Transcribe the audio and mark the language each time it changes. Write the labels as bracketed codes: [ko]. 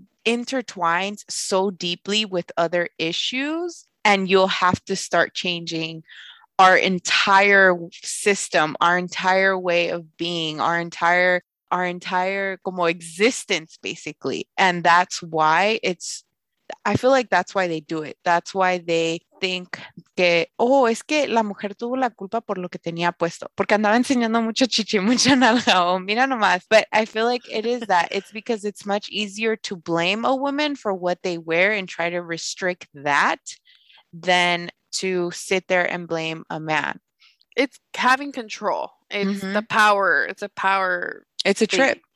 [en] intertwines so deeply with other issues, and you'll have to start changing our entire system, our entire way of being, our entire como existence, basically. And that's why I feel like that's why they do it. That's why they think [es] que, oh, es que la mujer tuvo la culpa por lo que tenía puesto. Porque andaba enseñando mucho chichi, mucha nalga, oh, mira nomás. [en] But I feel like it is that. It's because it's much easier to blame a woman for what they wear and try to restrict that than to sit there and blame a man. It's having control. It's mm-hmm. the power. It's a power. It's a thing. Trip.